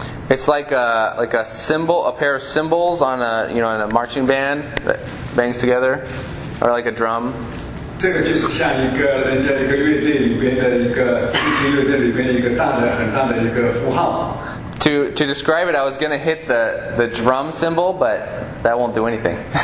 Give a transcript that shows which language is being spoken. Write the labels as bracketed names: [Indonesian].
[English] It's like a symbol, a pair of cymbals on a, you know, in a marching band that bangs together, or like a drum. [Chinese] 这个就是像一个人家一个乐队里边的一个大的很大的一个符号。To [English] describe it, I was gonna hit the drum cymbal, but that won't do anything.